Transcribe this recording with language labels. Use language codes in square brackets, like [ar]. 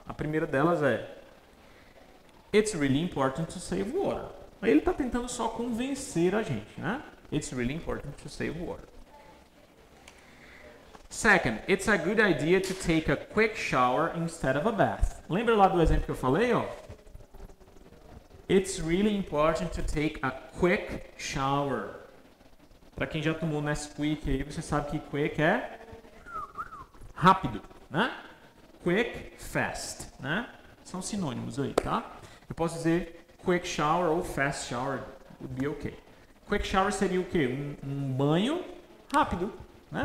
[pt] A primeira delas é... [en] It's really important to save water. [pt] Aí ele tá tentando só convencer a gente, né? [en] It's really important to save water. Second, it's a good idea to take a quick shower instead of a bath. [pt] Lembra lá do exemplo que eu falei, ó? [en] It's really important to take a quick shower. [pt] Pra quem já tomou Nesquik aí, você sabe que quick é rápido, né? Quick, fast, né? São sinônimos aí, tá? Eu posso dizer [en] quick shower ou fast shower would be okay. Quick shower [pt] seria o quê? Um banho rápido. Né?